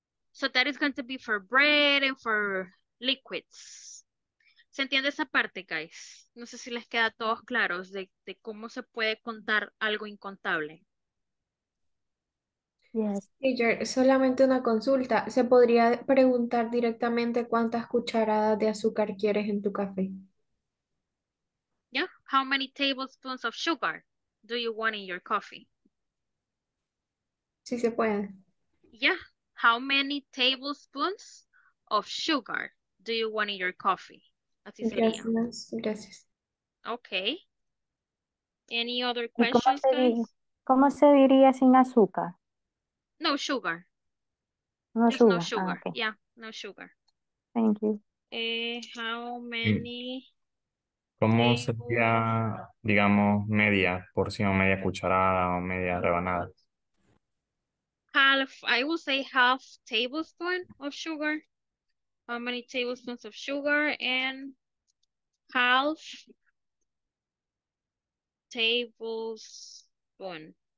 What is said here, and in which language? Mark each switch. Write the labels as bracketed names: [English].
[English] So that is going to be for bread and for liquids. [Spanish] ¿Se entiende esa parte, guys? No sé si les queda a todos claros de cómo se puede contar algo incontable. Yes. Solamente una consulta. ¿Se podría preguntar directamente cuántas cucharadas de azúcar quieres en tu café? [English] Yeah. How many tablespoons of sugar do you want in your coffee? [Spanish] Sí se puede. [English] Yeah. How many tablespoons of sugar do you want in your coffee? [Spanish] Así sería. Gracias. [English] Okay. Any other questions, guys? [Spanish] ¿Cómo se diría sin azúcar? [English] No sugar. No just sugar. No sugar. Ah, okay. Yeah, no sugar. Thank you. How many? [Spanish] ¿Cómo sería, digamos, media porción, media cucharada o media rebanada? [English] Half, I would say half tablespoon of sugar. How many tablespoons of sugar and half tablespoon?